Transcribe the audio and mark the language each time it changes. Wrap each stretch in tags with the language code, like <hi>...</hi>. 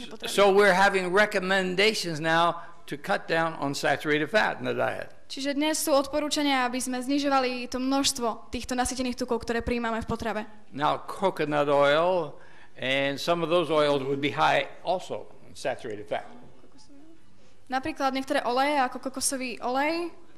<en>So we're having recommendations now to cut down on saturated fat in the diet.</en> <sk>Čiže dnes sú odporúčania, aby sme znižovali to množstvo týchto nasýtených tukov, ktoré prijímame v potrave.</sk> <en>Now coconut oil and some of those oils would be high also in saturated fat.</en> <sk>Napríklad niektoré oleje ako kokosový olej.</sk>